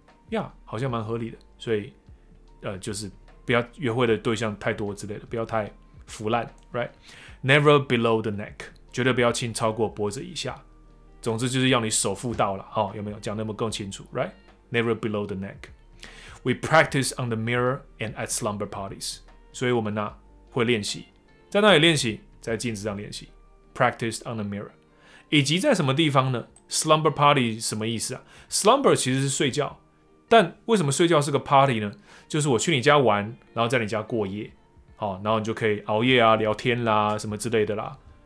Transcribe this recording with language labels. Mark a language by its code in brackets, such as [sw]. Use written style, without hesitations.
[zh] Yeah， 好像蛮合理的。所以就是不要约会的对象太多之类的，不要太腐烂， right？ [en] never below the neck [zh] 绝对不要亲超过脖子以下。总之就是要你守妇道了，哦，有没有讲那么更清楚 ？ [en] Right? Never below the neck. We practice on the mirror and at slumber parties. [zh] 所以我们呢会练习，在哪里练习？在镜子上练习。 [en] Practice on the mirror. [zh] 以及在什么地方呢 ？Slumber party 什么意思啊 ？Slumber 其实是睡觉，但为什么睡觉是个 party 呢？就是我去你家玩，然后在你家过夜，好，然后你就可以熬夜啊、聊天啦、什么之类的啦。